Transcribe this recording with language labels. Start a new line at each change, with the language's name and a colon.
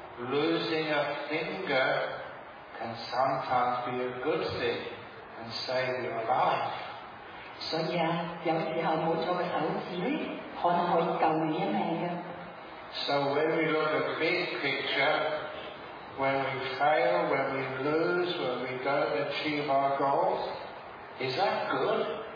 English: losing a finger can sometimes be a good thing and save your life.
Cantonese: 所以啊，有时候冇咗个手指咧，可能可以救你一命嘅。
English: So when we look at big picture, when we fail, when we lose, when we don't achieve our goals, is that good?